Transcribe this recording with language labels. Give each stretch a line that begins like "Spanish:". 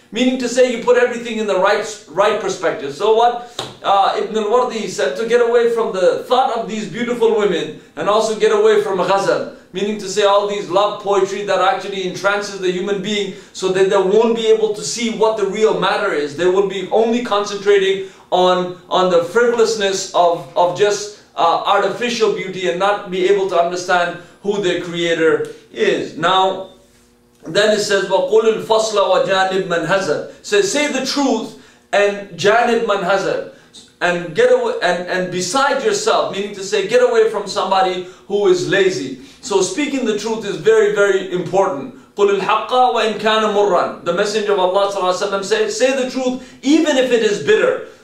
English: Meaning to say you put everything in the right perspective. So what Ibn al-Wardi said, to get away from the thought of these beautiful women and also get away from ghazal, meaning to say all these love poetry that actually entrances the human being so that they won't be able to see what the real matter is. They will be only concentrating on the frivolousness of just artificial beauty and not be able to understand who their Creator is.
Arabic: Now, then it says, وَقُلُ الْفَصْلَ وَجَانِبْ مَنْ هَزَرْ.
English: So say the truth and
Arabic: janib man hazar,
English: and get away and beside yourself, meaning to say get away from somebody who is lazy. So speaking the truth is very, very important.
Arabic: قُلُ الْحَقَّ وَإِنْ كَانَ مُرًّا.
English: The Messenger of Allah say the truth even if it is bitter.